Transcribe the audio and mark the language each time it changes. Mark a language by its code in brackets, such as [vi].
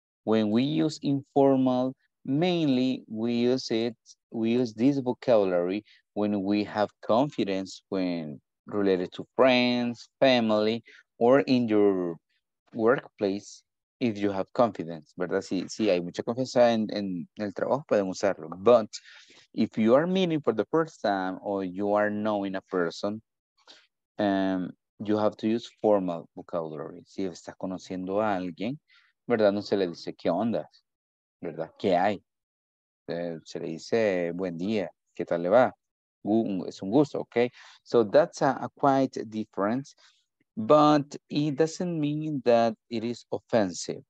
[en] When we use informal, mainly we use it, we use this vocabulary when we have confidence, when related to friends, family, or in your workplace, if you have confidence, ¿verdad? [es] Si hay mucha confianza en el trabajo, pueden usarlo. [en] But if you are meeting for the first time or you are knowing a person, you have to use formal vocabulary. [es] Si estás conociendo a alguien, ¿verdad? No se le dice qué onda, ¿verdad? ¿Qué hay? Se le dice buen día, ¿qué tal le va? Es un gusto, okay? [en] So that's a quite different, but it doesn't mean that it is offensive.